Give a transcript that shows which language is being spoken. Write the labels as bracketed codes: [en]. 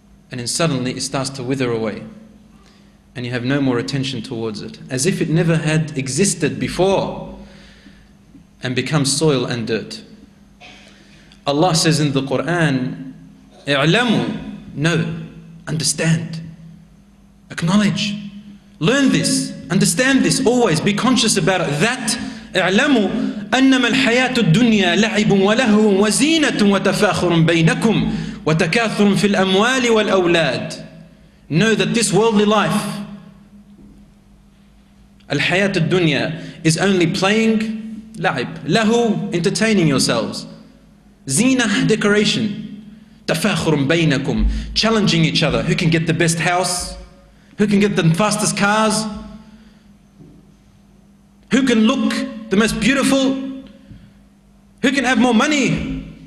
[en] And then suddenly it starts to wither away and you have no more attention towards it, as if it never had existed before and becomes soil and dirt. Allah says in the Quran, [ar] اعلموا, [en] know, understand, acknowledge. Learn this, understand this, always be conscious about it. [ar] That اعلموا أنما الحياة الدنيا لعب ولهو وزينة وتفاخر بينكم وتكاثر في الأموال والأولاد. [en] Know that this worldly life, [ar] الحياة الدنيا, [en] is only playing, لعب, لهو, entertaining yourselves, زينة, decoration, [ar] تفاخر بينكم, [en] challenging each other, who can get the best house, who can get the fastest cars, who can look the most beautiful, who can have more money.